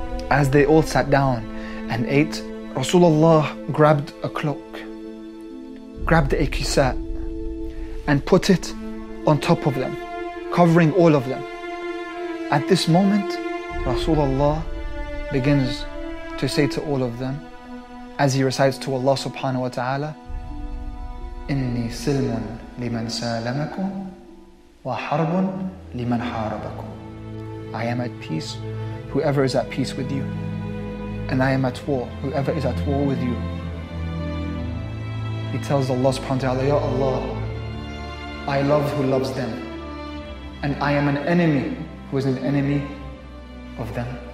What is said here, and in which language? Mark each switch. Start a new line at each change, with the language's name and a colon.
English: As they all sat down and ate, Rasulullah grabbed a cloak, grabbed a kisa, and put it on top of them, covering all of them. At this moment, Rasulullah begins to say to all of them, as he recites to Allah subhanahu wa ta'ala,
Arabic: إني سلم لمن سالمكم وحرب لمن حاربكم.
English: I am at peace, whoever is at peace with you. And I am at war, whoever is at war with you. He tells Allah subhanahu wa ta'ala, Ya Allah, I love who loves them. And I am an enemy who is an enemy of them.